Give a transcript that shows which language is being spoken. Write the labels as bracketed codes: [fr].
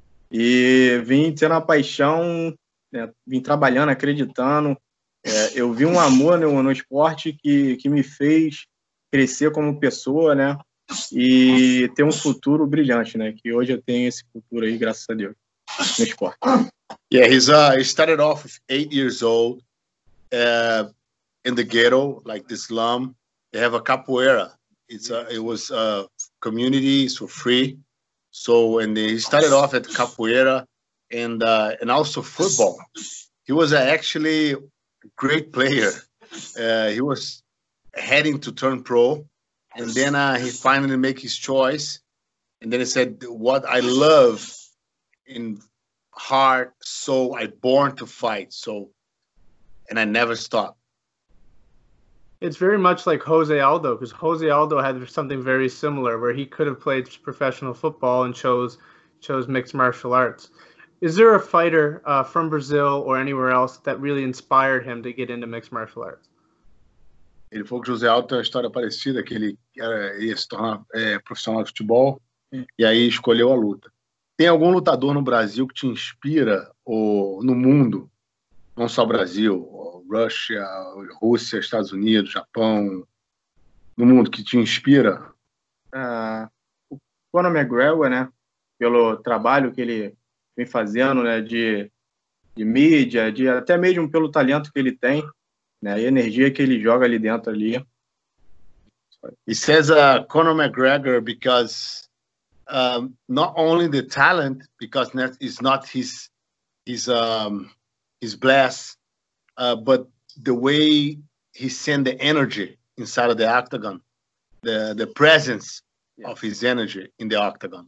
[pt] E vim tendo uma paixão, né, vim trabalhando, acreditando. É, eu vi um amor no esporte que me fez crescer como pessoa, né? E ter um futuro brilhante, né? Que hoje eu tenho esse futuro aí, graças a Deus, no esporte. [en] Yeah, he started off with 8 years old in the ghetto, like the slum. They have a capoeira. It was a community, so free. So, and he started off at capoeira and also football. He was actually a great player. He was heading to turn pro. And then he finally made his choice. And then he said, what I love in heart, soul, I born to fight. So, and I never stopped. It's very much like Jose Aldo, because Jose Aldo had something very similar, where he could have played professional football and chose mixed martial arts. Is there a fighter from Brazil or anywhere else that really inspired him to get into mixed martial arts? [pt] Ele falou que Jose Aldo tem uma história parecida, que ele ia se tornar profissional de futebol, e aí escolheu a luta. Tem algum lutador no Brasil que te inspira, ou no mundo, não só Brasil, Russia, Rússia, Estados Unidos, Japão, no mundo que te inspira? O Conor McGregor, né, pelo trabalho que ele vem fazendo, né, de mídia, de até mesmo pelo talento que ele tem, né, e a energia que ele joga ali dentro ali. [en] He says Conor McGregor because not only the talent, because that is not his blast. But the way he sent the energy inside of the octagon, the presence of his energy in the octagon.